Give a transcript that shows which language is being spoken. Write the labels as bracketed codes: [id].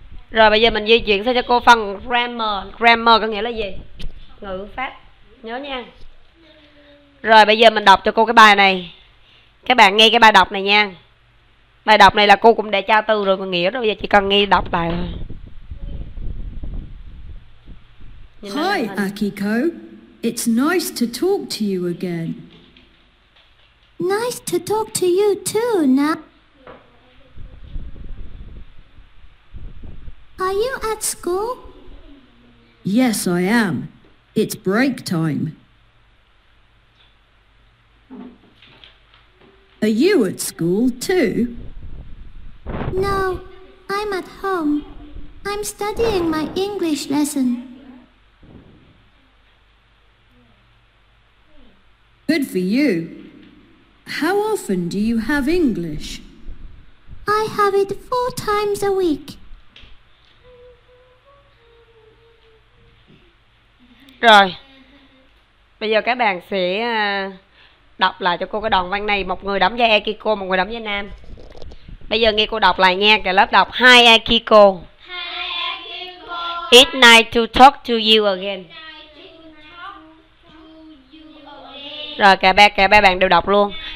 [vi] Rồi bây giờ mình di chuyển sang cho cô phần grammar. Grammar có nghĩa là gì? Ngữ pháp. Nhớ nha. Rồi bây giờ mình đọc cho cô cái bài này. Các bạn nghe cái bài đọc này nha. Bài đọc này là cô cũng đã tra từ rồi, nghĩa rồi, bây giờ chỉ cần nghe đọc lại thôi. [en] Hi Akiko, it's nice to talk to you again. Nice to talk to you too, Na. Are you at school? Yes, I am. It's break time. Are you at school too? No, I'm at home. I'm studying my English lesson. Good for you. How often do you have English? I have it 4 times a week. [vi] Rồi. Bây giờ các bạn sẽ đọc lại cho cô cái đoạn văn này, một người đóng vai Akiko, một người đóng vai Nam. Bây giờ nghe cô đọc lại nha, cả lớp đọc. [en] Hi Akiko. Hi Akiko. It's nice to talk to you again. [vi] Rồi cả ba bạn đều đọc luôn.